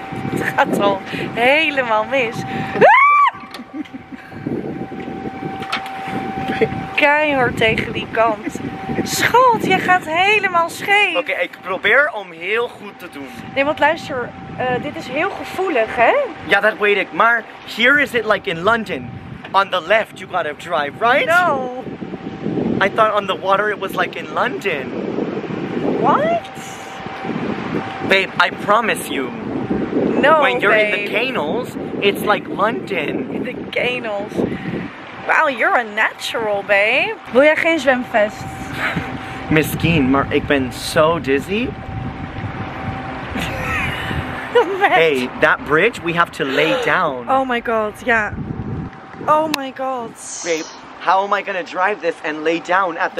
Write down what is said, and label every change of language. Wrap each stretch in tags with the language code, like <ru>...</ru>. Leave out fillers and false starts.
<nl>Het gaat al helemaal mis. Keihard tegen die kant. Schat, je gaat helemaal scheef. Oké, okay, ik probeer om heel goed te doen. Nee, want luister, dit is heel gevoelig, hè? Ja, dat weet ik.</nl> <en>Maar here is it like in London. On the left, you gotta drive, right? No. I thought on the water it was like in London. What? Babe, I promise you. No, when you're babe. In the canals, it's like London. In the canals. Wow, you're a natural, babe.</en> <nl>Wil jij geen zwemfest? Misschien, maar ik ben</nl> <en>so dizzy. Hey, that bridge, we have to lay down. Oh my god, yeah. Oh my god. Babe. How am I gonna drive this and lay down at the</en>